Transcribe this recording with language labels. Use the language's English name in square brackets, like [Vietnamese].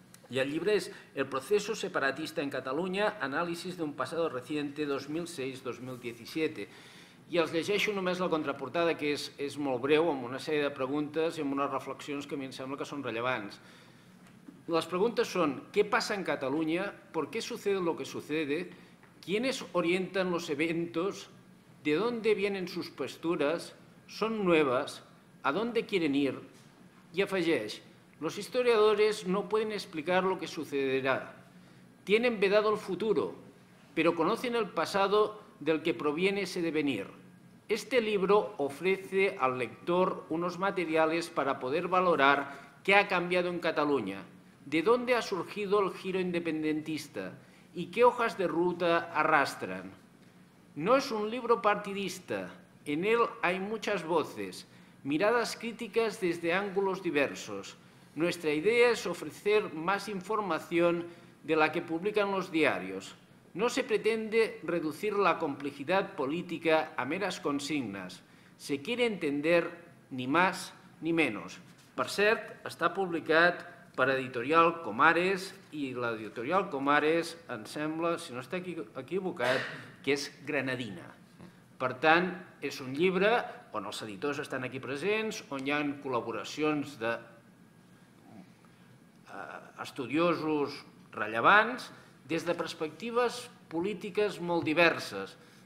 [Catalan] I el llibre és El proceso separatista en Catalunya, anàlisis d'un pasado reciente 2006-2017. I els llegeixo només la contraportada, que és molt breu, amb una sèrie de preguntes i amb unes reflexions que a mi em sembla que són rellevants. Les preguntes són, què passa en Catalunya? [Spanish] ¿Por qué sucede lo que sucede? ¿Quiénes orientan los eventos? ¿De dónde vienen sus posturas? ¿Son nuevas? ¿A dónde quieren ir? [Catalan] I afegeix, [Spanish] los historiadores no pueden explicar lo que sucederá. Tienen vedado el futuro, pero conocen el pasado del que proviene ese devenir. Este libro ofrece al lector unos materiales para poder valorar qué ha cambiado en Cataluña, de dónde ha surgido el giro independentista y qué hojas de ruta arrastran. No es un libro partidista, en él hay muchas voces, miradas críticas desde ángulos diversos. Nuestra idea es ofrecer más información de la que publican los diarios. No se pretende reducir la complejidad política a meras consignas. Se quiere entender ni más ni menos. [Catalan] Per cert, està publicat per Editorial Comares i l'Editorial Comares em sembla, si no està equivocat, que és granadina. Per tant, és un llibre on els editors estan aquí presents, on hi ha col·laboracions d'estudiosos rellevants, des de perspectives polítiques molt diverses.